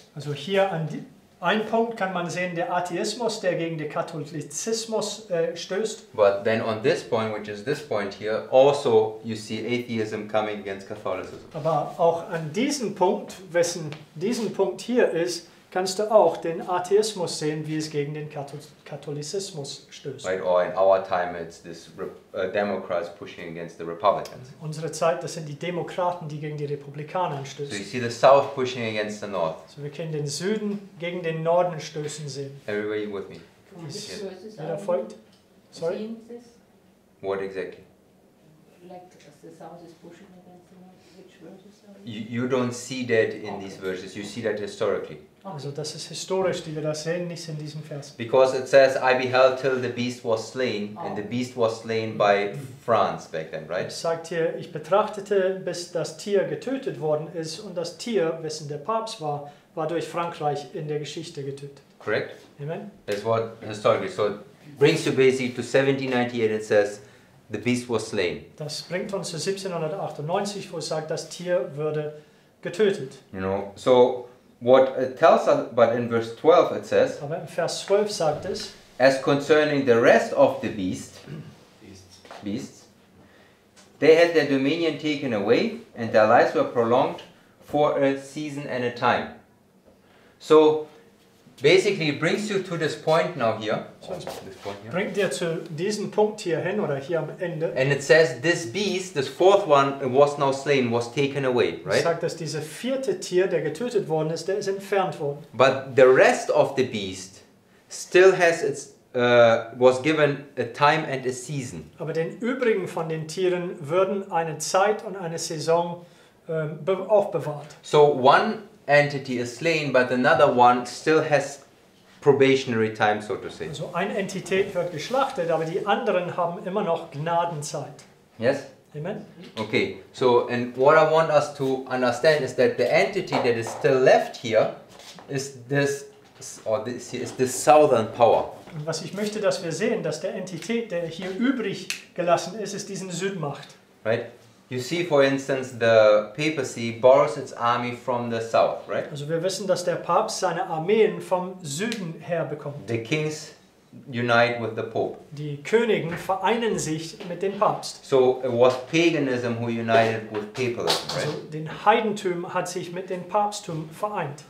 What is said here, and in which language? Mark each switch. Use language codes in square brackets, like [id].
[de] Also hier an ein Punkt kann man sehen, der Atheismus, der gegen den Katholizismus stößt. [en] But then on this point, which is this point here, also you see atheism coming against Catholicism. [de] Aber auch an diesem Punkt, wessen diesen Punkt hier ist, kannst du auch den Atheismus sehen, wie es gegen den Katholizismus stößt. [en] Right, or in our time it's this Democrats pushing against the Republicans. [de] In unsere Zeit, das sind die Demokraten, die gegen die Republikaner stößen. [en] So you see the South pushing against the North. [de] So wir können den Süden gegen den Norden stößen sehen. [en] Everybody with me? [de] Wer folgt? [en] Sorry? What exactly? Like the South is pushing against the North. Which verses are you? You don't see that in okay. These verses. You see that historically. [de] Also das ist historisch, die wir da sehen, nicht in diesem Vers. [en] Because it says, I beheld till the beast was slain, and the beast was slain by France back then, right? [de] Es sagt hier, ich betrachtete, bis das Tier getötet worden ist, und das Tier, wessen der Papst war, war durch Frankreich in der Geschichte getötet. [en] Correct. Amen. That's what historically, so it brings you basically to 1798 and it says, the beast was slain. [de] Das bringt uns zu 1798, wo es sagt, das Tier würde getötet. [en] You know, so what it tells us, but in verse 12 it says, [de] aber in Vers 12 sagt es, [en] as concerning the rest of the beasts, they had their dominion taken away and their lives were prolonged for a season and a time. So basically it brings you to this point now here. [de] Bringt dir zu diesem Punkt hier hin oder hier am Ende. [en] And it says this beast, this fourth one, was now slain, was taken away, right? [de] Es sagt, dass dieser vierte Tier, der getötet worden ist, der ist entfernt worden. [en] But the rest of the beast still has its was given a time and a season. [de] Aber den übrigen von den Tieren würden eine Zeit und eine Saison aufbewahrt. [en] So one entity is slain, but another one still has probationary time, so to say. [de] Also eine Entität wird geschlachtet, aber die anderen haben immer noch Gnadenzeit. [en] Yes? Amen. Okay, so and what I want us to understand is that the entity that is still left here is this, or this here, is the southern power. [de] Und was ich möchte, dass wir sehen, dass der Entität, der hier übrig gelassen ist, ist diesen Südmacht. [en] Right? You see, for instance, the papacy borrows its army from the south, right? [de] Also wir wissen, dass der Papst seine Armeen vom Süden her bekommt. [en] The kings unite with the Pope. [de] Die Königen vereinen sich mit dem Papst. [en] So it was paganism who united with papalism, right? [de] Also den Heidentum hat sich mit dem Papsttum vereint.